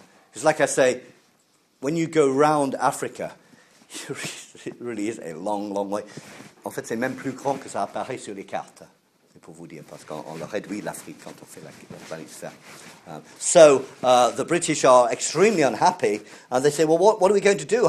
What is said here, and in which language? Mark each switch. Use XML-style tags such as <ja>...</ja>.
<en>Because, like I say, when you go round Africa, it really is a long, long way.</en> <fr>En fait, c'est même plus grand que ça apparaît sur les cartes. Pour vous dire, parce qu'on réduit l'Afrique quand on fait la planète.</fr> <en>So the British are extremely unhappy, and they say, well, what are we going to do?</en>